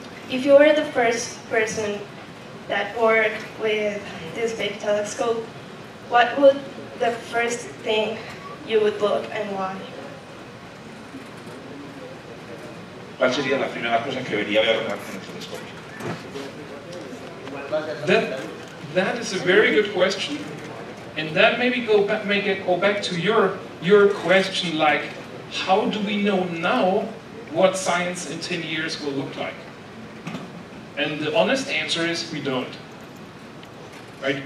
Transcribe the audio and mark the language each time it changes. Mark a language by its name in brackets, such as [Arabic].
[English] If you were the first person that worked with this big telescope, what would the first thing you would look and why? [Spanish] ¿Cuál sería la primera cosa que debería ver en el telescopio? [English] Well, That is a very good question, and that maybe go back to your question, like, how do we know now what science in 10 years will look like? And the honest answer is we don't. Right?